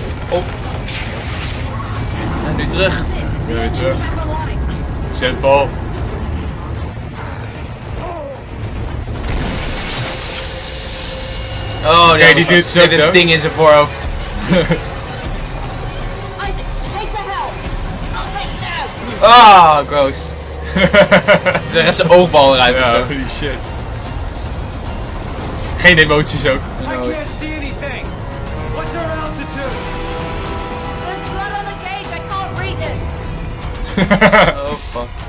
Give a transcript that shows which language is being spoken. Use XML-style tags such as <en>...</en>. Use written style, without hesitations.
<nl>Op. En nu terug. Weer terug. Zetbal. Oh, nee, okay, die doet zo. Dit ding in zijn voorhoofd.</nl> <en>Isaac, take the help. I'll take it out. Ah, oh, gross.</en> <nl>Zeg eens zijn oogbal eruit ja, of zo.</nl> <en>Holy shit.</en> <nl>Geen emoties ook.</nl> <en>Oh fuck.</en>